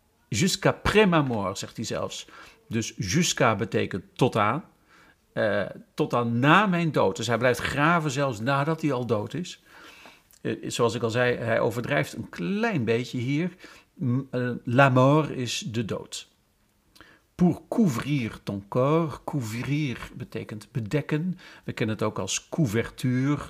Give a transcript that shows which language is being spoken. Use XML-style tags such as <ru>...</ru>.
<fr>Jusqu'à près ma mort,</fr> <nl>zegt hij zelfs. Dus jusqu'à betekent tot aan. Tot aan na mijn dood. Dus hij blijft graven zelfs nadat hij al dood is. Zoals ik al zei, hij overdrijft een klein beetje hier.</nl> <fr>La mort</fr> <nl>is de dood.</nl> <fr>Pour couvrir ton corps.</fr> <nl>Couvrir betekent bedekken. We kennen het ook als couverture.</nl>